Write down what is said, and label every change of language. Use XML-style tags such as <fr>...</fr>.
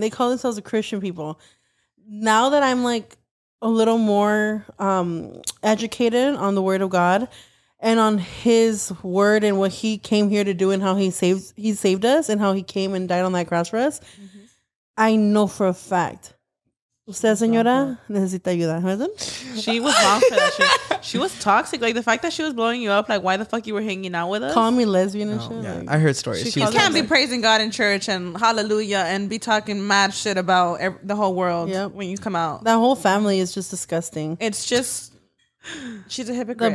<en>They call themselves a Christian people. Now that I'm like a little more educated on the word of God and on his word and what he came here to do and how he saved us and how he came and died on that cross for us, mm-hmm. I know for a fact.</en> <es>Usted, señora, necesita ayuda, ¿verdad?</es> <en>She was toxic. She was toxic. Like, the fact that she was blowing you up, like, why the fuck you were hanging out with us? Call me lesbian and shit. Yeah, like, I heard stories. She can't be praising God in church and hallelujah and be talking mad shit about the whole world when you come out. That whole family is just disgusting. It's just, she's a hypocrite.</en>